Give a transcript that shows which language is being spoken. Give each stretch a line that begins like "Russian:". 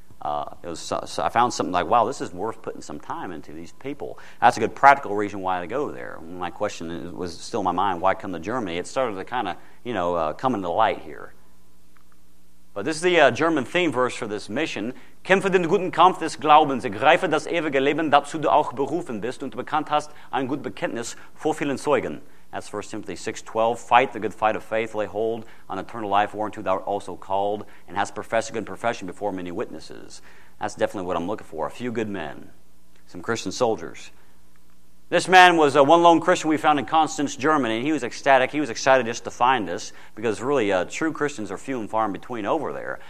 English: So I found something like, wow, this is worth putting some time into, these people. That's a good practical reason why I go there. My question was still in my mind, why come to Germany? It started to kind of, you know, come into light here. But this is the German theme verse for this mission.
German: Kämpfe den guten Kampf des Glaubens, ergreife das ewige Leben, dazu du auch berufen bist und bekannt hast ein gut Bekenntnis vor vielen Zeugen.
English: That's 1 Timothy 6:12. Fight the good fight of faith, lay hold on eternal life, whereunto thou art also called, and hast professed a good profession before many witnesses. That's definitely what I'm looking for. A few good men, some Christian soldiers. This man was one lone Christian we found in Constance, Germany. He was ecstatic. He was excited just to find us because really true Christians are few and far in between over there.